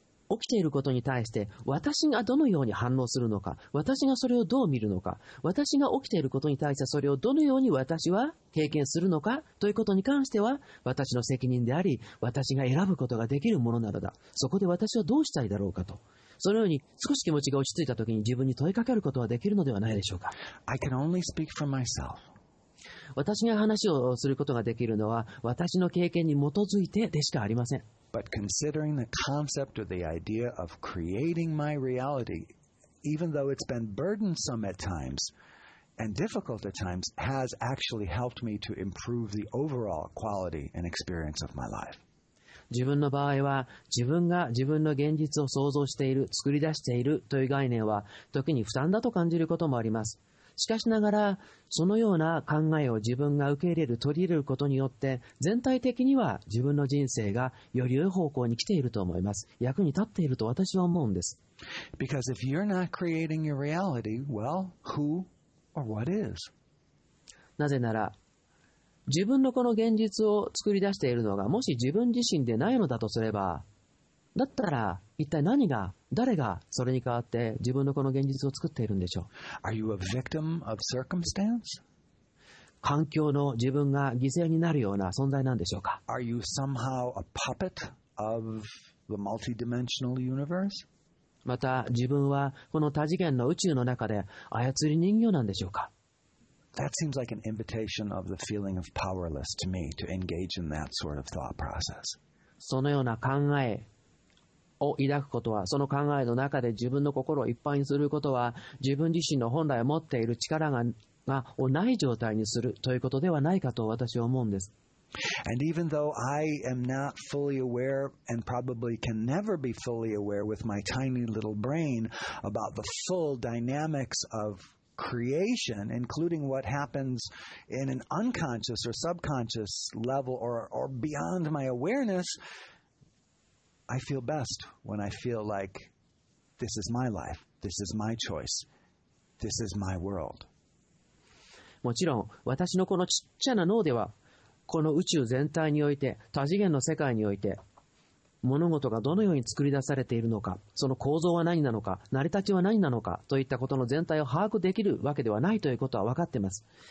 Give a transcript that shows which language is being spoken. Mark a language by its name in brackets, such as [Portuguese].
[Japanese] 起きていることに対して私がどのように反応するのか、私がそれをどう見るのか、私が起きていることに対してそれをどのように私は経験するのかということに関しては私の責任であり、私が選ぶことができるものならだ、そこで私はどうしたいだろうかと、そのように少し気持ちが落ち着いたときに自分に問いかけることはできるのではないでしょうか。 [English] I can only speak for myself. [Japanese] 私が話をすることができるのは私の経験に基づいてでしかありません。 [English] But considering the concept or the idea of creating my reality, even though it's been burdensome at times and difficult at times, has actually helped me to improve the overall quality and experience of my life. [Japanese] 自分の場合は、自分が自分の現実を創造している、作り出しているという概念は、時に負担だと感じることもあります。しかしながら、そのような考えを自分が受け入れる、取り入れることによって、全体的には自分の人生がより良い方向に来ていると思います。役に立っていると私は思うんです。 [English] Because if you're not creating your reality, well, who or what is? [Japanese] なぜなら、自分のこの現実を作り出しているのがもし自分自身でないのだとすれば、だったら一体何が、誰がそれに代わって自分のこの現実を作っているんでしょう。 [English] Are you a victim of circumstance? [Japanese] 環境の自分が犠牲になるような存在なんでしょうか。 [English] Are you somehow a puppet of the multidimensional universe? [Japanese] また自分はこの多次元の宇宙の中で操り人形なんでしょうか。 [English] That seems like an invitation of the feeling of powerless to me to engage in that sort of thought process. [Japanese] そのような考えを抱くことは、その考えの中で自分の心をいっぱいにすることは、自分自身の本来持っている力がをない状態にするということではないかと私は思うんです。 [English] And even though I am not fully aware and probably can never be fully aware with my tiny little brain about the full dynamics of creation, including what happens in an unconscious or subconscious level or beyond my awareness, I feel best when I feel like this is my life, this is my choice, this is my world. [Japanese] もちろん私のこのちっちゃな脳ではこの宇宙全体において多次元の世界において物事がどのように作り出されているのか、その構造は何なのか、成り立ちは何なのかといったことの全体を把握できるわけではないということは分かっています。